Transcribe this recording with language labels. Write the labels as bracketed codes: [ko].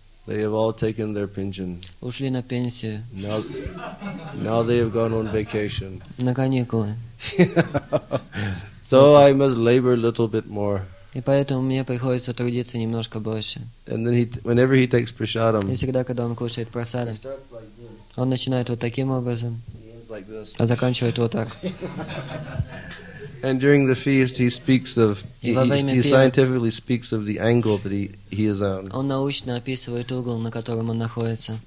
[en] They have all taken their pension. [ru] Ушли на пенсию. [en] Now they have gone on vacation. [ru] На каникулы. [en] So I must labor a little bit more. [ru] И поэтому мне приходится трудиться немножко больше. [en] And then whenever he takes prasadam. [ru] И всегда, когда он кушает прасадам. Он начинает вот таким образом. А заканчивает вот так. [en] And during the feast, he speaks of he scientifically speaks of the angle that he is on. [ru] Он научно описывает угол, на котором он находится.